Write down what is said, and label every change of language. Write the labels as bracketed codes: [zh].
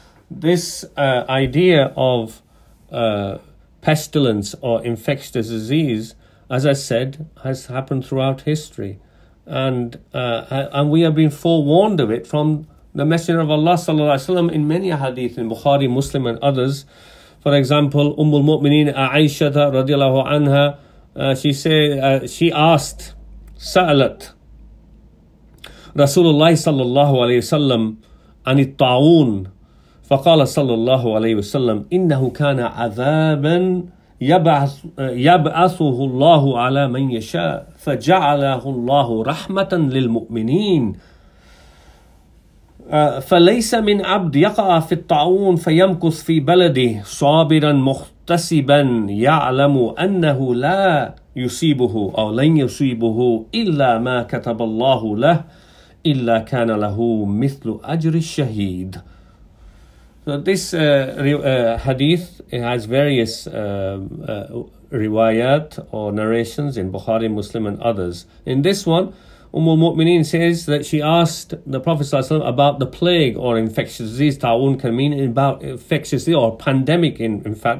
[en] This idea of pestilence or infectious disease, as I said, has happened throughout history. And we have been forewarned of it from the Messenger of Allah sallallahu alaihi wasallam in many hadith in Bukhari, Muslim and others. For example, Ummul Mu'mineen Aisha radiallahu anha, she asked, [ar] سألت رسول الله صلى الله عليه وسلم عن الطاعون فقال صلى الله عليه وسلم إنه كان عذابا يبعثه الله على من يشاء فجعله الله رحمة للمؤمنين فليس من عبد يقع في الطاعون فيمكث في بلده صابرا محتسبا يعلم أنه لا يصيبه أو لن يصيبه إلا ما كتب الله له إلا كان له مثل أجر الشهيد. [en] So this hadith, it has various riwayat or narrations in Bukhari, Muslim and others. In this one, Ummul Mu'mineen says that she asked the Prophet ﷺ about the plague or infectious disease. Ta'un can mean about infectious disease or pandemic, in fact.